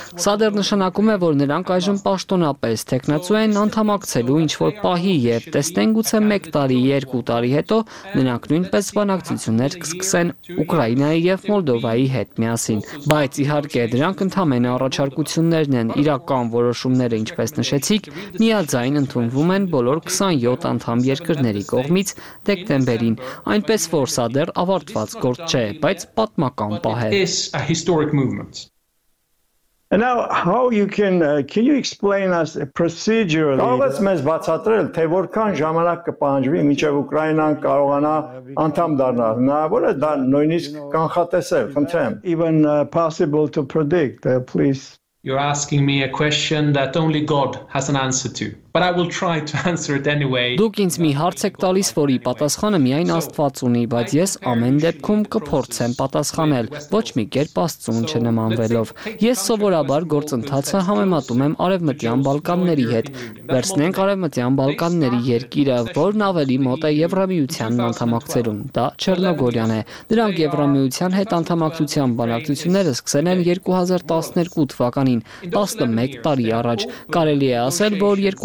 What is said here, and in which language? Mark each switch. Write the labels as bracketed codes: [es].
[hy] Սա դեռ նշանակում է, որ նրանք այժմ պաշտոնապես տեխնացու են անդամակցելու ինչ որ պահի եւ տեսնեն գուցե 1 տարի, 2 տարի հետո նրանք նույնպես բանակցություններ կսկսեն Ուկրաինայի եւ Մոլդովայի հետ միասին։ Բայց իհարկե դրանք ընդհանրապես առաջարկություններն են, իրական որոշումները, ինչպես նշեցիք, միաձայն ընդունվում են որ 27 անդամ երկրների կողմից դեկտեմբերին, այնպես որ սա դեռ ավարտված գործ չէ, բայց պատմական պահ է։ [en] And now how you can you explain us procedurally? [hy] Կարո՞ղ ես բացատրել, թե որքան ժամանակ կպահանջվի, մինչև Ուկրաինան կարողանա անդամ դառնալ։ Հնարավոր է դա նույնիսկ կանխատեսել, խնդրեմ։ [en] Even possible to predict, please. You're asking me a question that only God has an answer to, but I will try to answer it anyway. [hy] Դուք ինձ մի հարց եք տալիս, որի պատասխանը միայն Աստված ունի, բայց ես ամեն դեպքում կփորձեմ պատասխանել, ոչ մի կերպ Աստծուն չնմանվելով։ Ես սովորաբար գործընթացը համեմատում եմ Արևմտյան Բալկանների հետ։ Վերցնենք Արևմտյան Բալկանների երկիրը, որն ավելի մոտ է Եվրամիությանն անդամակցելուն, դա Չեռնոգորիան է։ Նրանք Եվրամիության հետ անդամակցության բանակցությունները սկսել են 2012 թվականին, 11 տարի առաջ։ Կարելի է ասել, որ